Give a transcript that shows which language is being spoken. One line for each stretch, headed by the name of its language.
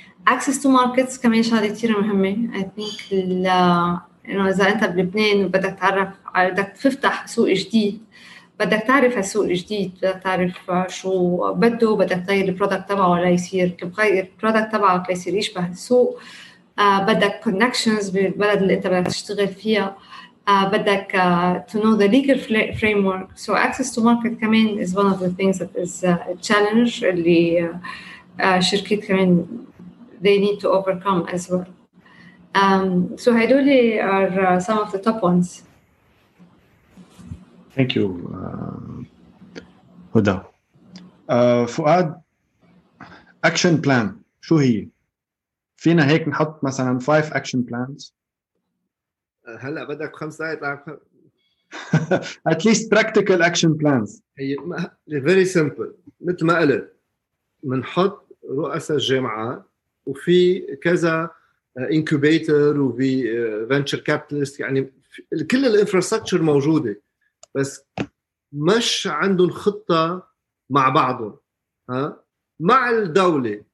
English: Access to markets
Arabic: كمان شغلة كتير مهمة.
English: I think
Arabic: إذا أنت بلبنان وبدك تعرف بدك تفتح سوق جديد بدك تعرف السوق الجديد بدك تعرف شو بده بدك تغير البرودكت تبعه ولا يصير كيف غير البرودكت تبعه كيف يصير يشبه السوق بدك connections بالبلد اللي انت بدك تشتغل فيها, بدك
English: to know the legal framework. So access to market كمان is one of the things that is a challenge
Arabic: اللي شركات كمان
English: they need to overcome as well. So
Arabic: هدول
English: are some of the top ones. Thank you, Huda.
Arabic: فؤاد, action plan شو هي؟ فينا هيك نحط مثلا 5 action plans؟ هلا بدك 5 دقائق
English: at least practical action plans.
Arabic: هي
English: very simple,
Arabic: مثل ما قلت منحط رؤساء الجامعات وفي كذا incubator وفي venture capitalist, يعني كل الانفراستراكشر موجوده بس مش عندهم خطه مع بعضهم, ها, مع الدوله.